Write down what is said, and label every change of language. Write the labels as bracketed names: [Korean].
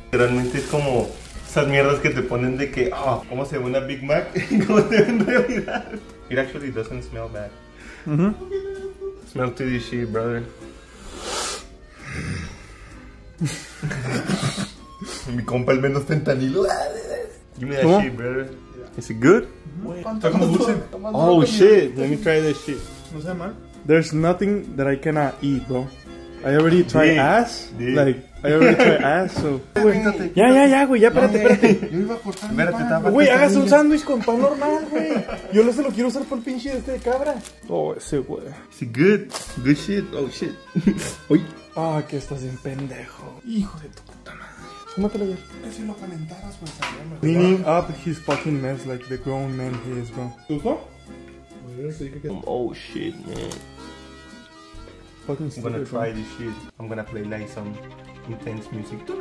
[Spanish] Realmente es como esas mierdas que te ponen de que, ah, oh, ¿cómo se ve una Big Mac? ¿Cómo se ve en realidad? [English] It actually doesn't smell bad. Mm-hmm. Smell to this shit, brother. [Spanish] Mi compa el menos fentanilo. [English] Give me that shit, brother. Is it good? Wait, oh shit, let me try this shit. [Spanish] No sé, man. [English] There's nothing that I cannot eat, bro. I already tried dude, ass. Dude. Like, I already tried ass, so. Wait, [Spanish] ya, güey, ya, espérate, espérate. Yo iba a cortar. Espérate, güey, hagas un sándwich con pan normal, güey. Yo no se lo quiero usar por el pinche de este de cabra. Oh, ese, güey. [English] Is it good? Good shit? Oh shit. Uy. [Spanish] Ah, que estás bien pendejo. Hijo de tu puta madre. Mátelo ya. Si lo calentaras, pues sería mejor. [English] Cleaning up his fucking mess like the grown man he is, bro. [Spanish] ¿Tú no? [English] Oh shit, man. Fucking I'm gonna try this shit. I'm gonna play like some intense music.